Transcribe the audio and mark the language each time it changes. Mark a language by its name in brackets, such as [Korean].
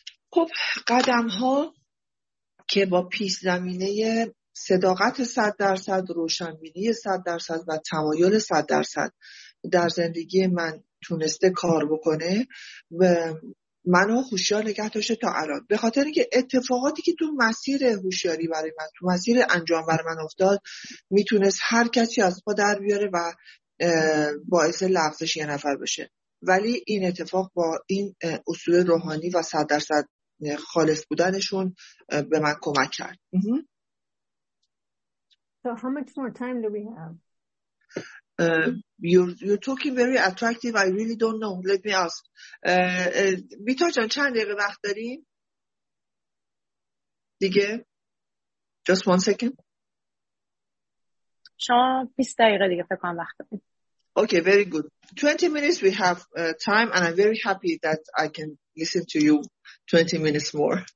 [Persian] خب قدم ها که با پیش زمینه صداقت 100%، روشنبینی 100% و تمایل 100% در زندگی من تونسته کار بکنه و منو هوشیار نگه داشته تا الان، به خاطر اینکه اتفاقاتی که تو مسیر هوشیاری برای من، تو مسیر انجام برای من افتاد میتونست هر کسی از پا در بیاره و باعث لغزش یه نفر بشه، ولی این اتفاق با این اصول روحانی و 100% خالص بودنشون به من کمک کرد. [English] So how much more time do we have? You're talking very attractive. I really don't know. Let me ask. [Persian] بیتا جان چند دقیقه وقت داریم؟ دیگه؟ [English] Just one second. [Persian] شما 20 دقیقه دیگه فکر کنم وقت دارید. [English] Okay, very good. 20 minutes we have time, and I'm very happy that I can listen to you 20 minutes more.